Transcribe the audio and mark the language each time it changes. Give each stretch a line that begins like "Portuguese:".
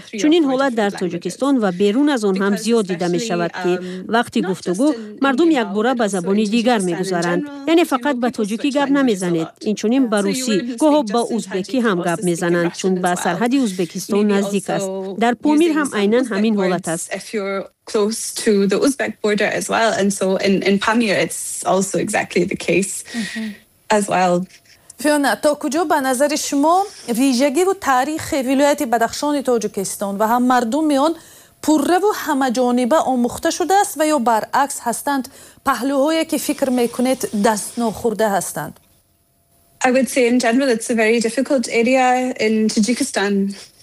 Persian: چون این حالت در تاجیکستان و بیرون از آن هم زیاد دیده میشود که وقتی گفتگو مردم یک باره به زبانی دیگر میگذارند. یعنی فقط به تاجیکی گپ نمیزنید، این چنین به روسی، گاه ها به ازبکی هم گپ میزنند چون به سرحد ازبکستان نزدیک است. در پامیر هم اینن همین حالت است.
English: Close to the Uzbek border as well, and so in Pamir it's also exactly the case as well.
Persian: فیونا، تا کجا به نظر شما ویژگی و تاریخ ولایت بدخشان تاجیکستان و هم مردم آن پوره و همه جانبه آموخته شده است و یا برعکس هستند پهلوهایی که فکر میکنید دست ناخورده هستند؟
English: I would say in general it's a very difficult area in Tajikistan.